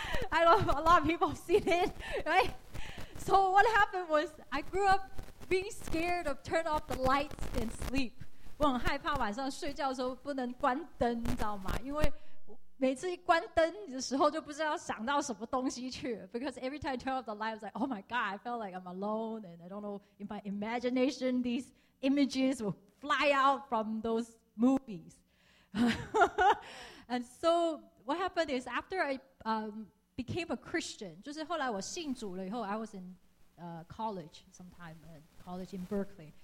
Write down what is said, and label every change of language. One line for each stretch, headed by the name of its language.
English: I don't know. A lot of people have seen it, right? So what happened was I grew up being scared of turn off the lights and sleep.
Chinese: 我很害怕晚上睡觉的时候不能关灯，你知道吗？因为每次一关灯的时候就不知道想到什么东西去。
English: Because every time I turn off the light, I was like, oh my God, I felt like I'm alone. And I don't know, in my imagination, these images will fly out from those movies. And so what happened is after I became a Christian,
Chinese: 就是后来我信主了以后
English: I was in college sometime, college in Berkeley.